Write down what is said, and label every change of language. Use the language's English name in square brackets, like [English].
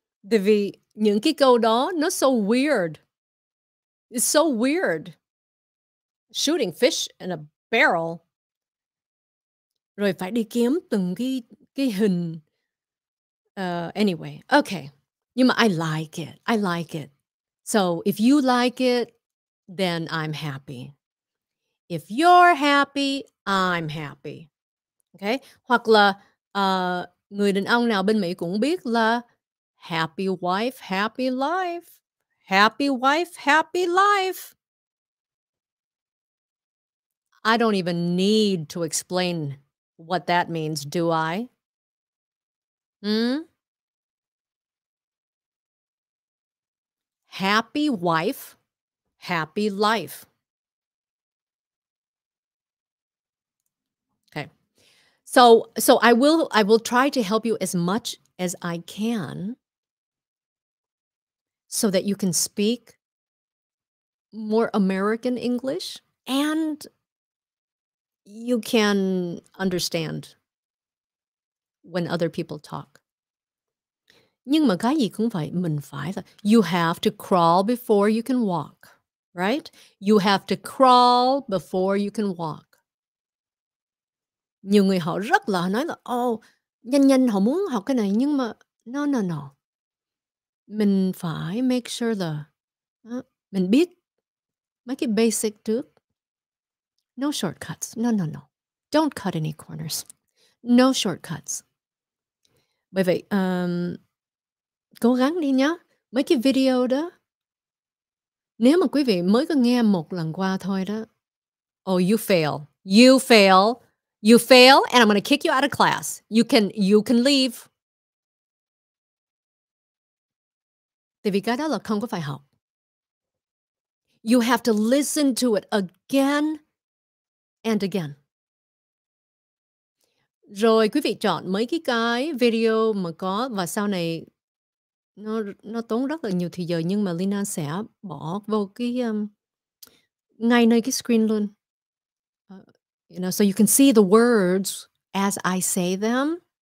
[Vietnamese] Tại vì những cái câu đó, nó [English] so weird. It's so weird. Shooting fish in a barrel. [Vietnamese] Rồi phải đi kiếm từng cái hình. [English] Anyway, okay. [Vietnamese] Nhưng mà [English] I like it. I like it. So if you like it, then I'm happy. If you're happy, I'm happy. Okay? [Vietnamese] Hoặc là người đàn ông nào bên Mỹ cũng biết là [English] happy wife, happy life. Happy wife, happy life. I don't even need to explain what that means, do I? Happy wife, happy life. Okay. So I will try to help you as much as I can so that you can speak more American English and you can understand when other people talk. [Vietnamese] Nhưng mà cái gì cũng phải, mình phải là, [English] you have to crawl before you can walk, right? You have to crawl before you can walk. [Vietnamese] Nhiều người họ rất là nói là, nhanh nhanh họ muốn học cái này, nhưng mà, no. Mình phải [English] make sure [Vietnamese] là, mình biết mấy cái basic trước. [English] No shortcuts, no. Don't cut any corners. No shortcuts. [Vietnamese] Bởi vậy, cố gắng đi nhá. Mấy cái video đó, nếu mà quý vị mới có nghe một lần qua thôi đó, [English] you fail, and I'm gonna kick you out of class. You can leave. [Vietnamese] Tại vì cái đó là không có phải học. [English] You have to listen to it again and again. [Vietnamese] Rồi quý vị chọn mấy cái video mà có, và sau này nó tốn rất là nhiều thời giờ, nhưng mà Leyna sẽ bỏ vô cái ngay nơi cái screen luôn. [English] So you can see the words as I say them.